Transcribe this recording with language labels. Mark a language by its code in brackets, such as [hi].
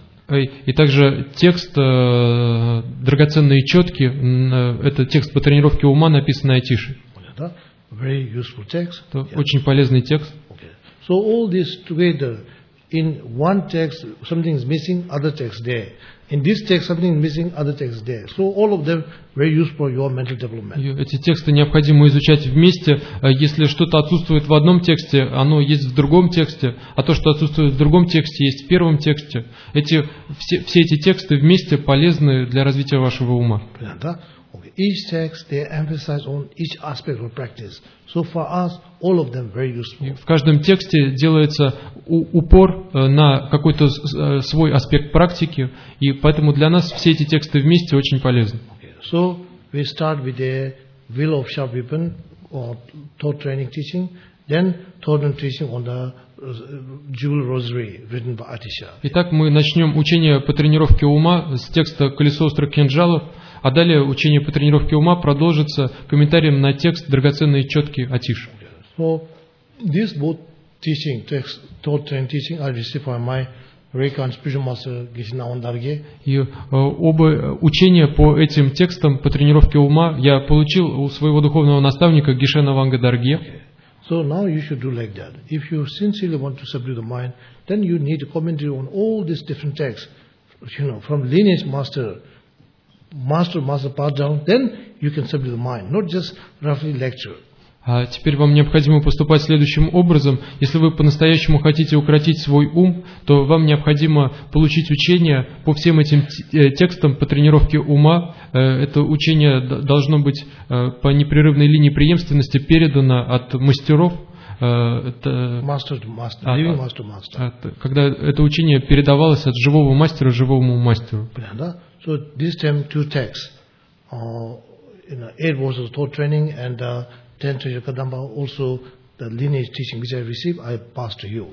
[ru] И также текст драгоценные четки, это текст по тренировке ума, написанный Айтишей. [en] Yeah, да? Very useful text. [ru] Это очень полезный текст. [en] So all this together, in one text something is missing, other text there. In this text something is missing, other text there. So all of them very useful for your mental development. [ru] Эти тексты необходимо изучать вместе. Если что-то отсутствует в одном тексте, оно есть в другом тексте, а то, что отсутствует в другом тексте, есть в первом тексте. Все эти тексты вместе полезны для развития вашего ума. Понятно, да? Okay. [en] Each text, they emphasize on each aspect of practice. So for us, all of them very useful. [ru] В каждом тексте делается упор на какой-то свой аспект практики, и поэтому для нас все эти тексты вместе очень полезны. [en] Okay. So we start with the will of Shabdvipan, or thought training teaching, then thought and teaching on the Jewel Rosary, written by Atisha. [ru] Итак, мы начнем учение по тренировке ума с текста «Колесо острых кинжалов», а далее учение по тренировке ума продолжится комментарием на текст «Драгоценные четки Атиши». [en] So, this both teaching, text, thought and teaching, I received from my Raikant spiritual master Geshe-Nawandarge. [ru] И оба учения по этим текстам по тренировке ума я получил у своего духовного наставника Геше-Навангадарге. [en] So now you should do like that. If you sincerely want to subdue the mind, then you need to commentary on all these different texts, you know, from lineage master, master passed down, then you can subdue the mind, not just roughly lecture. [ru] А теперь вам необходимо поступать следующим образом. Если вы по-настоящему хотите укротить свой ум, то вам необходимо получить учение по всем этим текстам по тренировке ума. Это учение должно быть по непрерывной линии преемственности передано от мастеров. Когда это учение передавалось от живого мастера живому мастеру. [en] So this time two texts. You know, 8 verses of thought training and 10 treasure kadamba also the lineage teaching which I received, I passed to you.